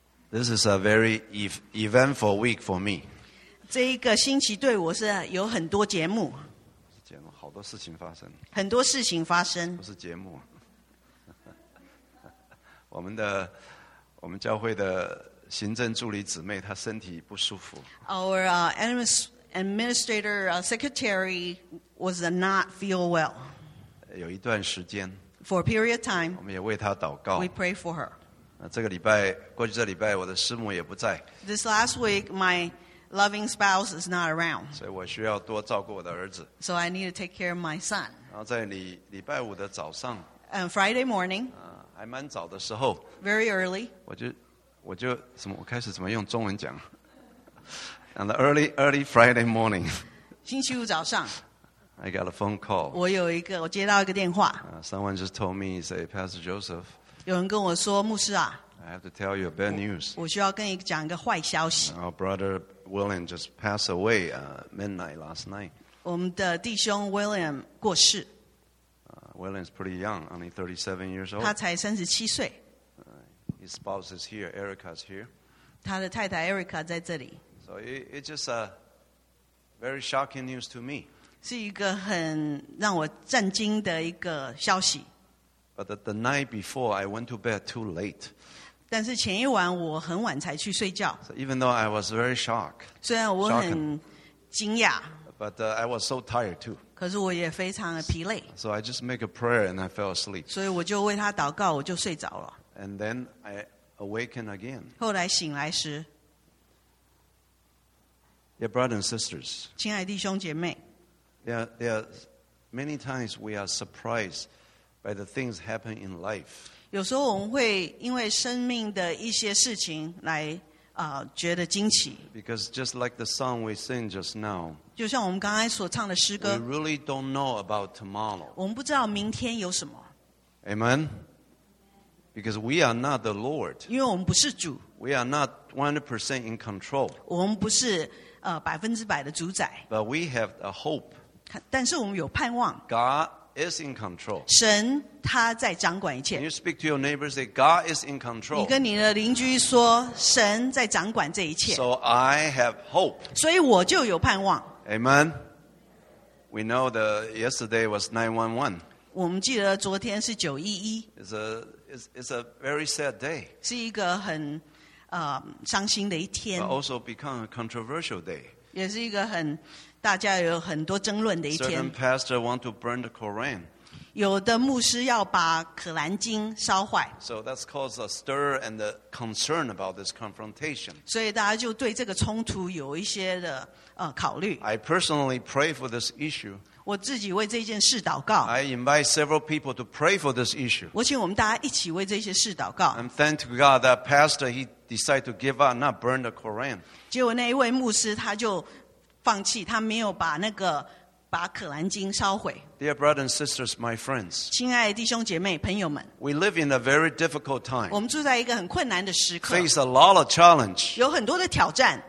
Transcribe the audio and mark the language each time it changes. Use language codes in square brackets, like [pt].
[en] This is a very eventful week for me. [zh] 这一个星期对我是有很多节目。节目，好多事情发生。很多事情发生。不是节目。我们教会的行政助理姊妹她身体不舒服。 [en] Our administrator secretary was not feel well. [zh] 有一段时间。 [en] For a period of time. [zh] 我们也为她祷告。 [en] We pray for her. [zh] 这个礼拜，过去这礼拜，我的师母也不在。 [en] This last week, my loving spouse is not around. [zh] 所以我需要多照顾我的儿子。 [en] So I need to take care of my son. [zh] 然后在礼拜五的早上。 [en] Friday morning. [zh] 还蛮早的时候。 [en] Very early. [zh] 我就什么？我开始怎么用中文讲 ？ [en] On the early Friday morning， [zh] 星期五早上 [en] ，I got a phone call。 [zh] 我接到一个电话。 [en] Someone just told me, say, Pastor Joseph。 [zh] 有人跟我说，牧师啊。 [en] I have to tell you a bad news。 [zh] 我需要跟你讲一个坏消息。 [en] Our brother William just passed away midnight last night。 [zh] 我们的弟兄 William 过世。 [en] William's pretty young, only 37 years old。 [zh] 他才37岁。 [en] His spouse is here. Erica is here. [zh] 他的太太 Erica 在这里。 [en] So it's just a very shocking news to me. [zh] 是一个很让我震惊的一个消息。 [en] But the night before, I went to bed too late. [zh] 但是前一晚我很晚才去睡觉。 [en] So even though I was very shocked. [zh] 虽然我很惊讶。 [en] But I was so tired too. [zh] 可是我也非常的疲累。 [en] So I just make a prayer and I fell asleep. [zh] 所以我就为他祷告，我就睡着了。 [en] And then I awaken again. [zh] 后来醒来时。 [en] Yeah, brothers and sisters. [zh] 亲爱弟兄姐妹。 [en] There are many times we are surprised by the things happen in life. [zh] 有时候我们会因为生命的一些事情来觉得惊奇。 [en] Because just like the song we sing just now, [zh] 就像我们刚才所唱的诗歌。 [en] We really don't know about tomorrow. [zh] 我们不知道明天有什么。 [en] Amen. Because we are not the Lord. [zh] 因为我们不是主。 [en] We are not 100% in control. [zh] 我们不是百分之百的主宰。 [en] But we have a hope. [zh] 但是我们有盼望。 [en] God is in control. [zh] 神他在掌管一切。 [en] Can you speak to your neighbor and say, God is in control? [zh] 你跟你的邻居说，神在掌管这一切。 [en] So I have hope. [zh] 所以我就有盼望。 [en] Amen. We know that yesterday was 911. [zh] 我们记得昨天是911。 [en] It's a very sad day. [zh] 是一个很伤心的一天。 [en] But also become a controversial day. [zh] 也是一个很大家有很多争论的一天。 [en] Certain pastor want to burn the Quran. [zh] 有的牧师要把可兰经烧坏。 [en] So that's caused a stir and a concern about this confrontation. [zh] 所以大家就对这个冲突有一些的考虑。 [en] I personally pray for this issue. [zh] 我自己为这件事祷告。 [en] I invite several people to pray for this issue. [zh] 我请我们大家一起为这些事祷告。 [en] I'm thank to God that pastor he decided to give up, not burn the Quran. [zh] 结果那一位牧师他就放弃，他没有把那个把可兰经烧毁。 [en] Dear brothers and sisters, my friends, [zh] 亲爱的弟兄姐妹、朋友们 [en] ，We live in a very difficult time. [zh] 我们住在一个很困难的时刻 [en] ，Face a lot of challenge. [zh] 有很多的挑战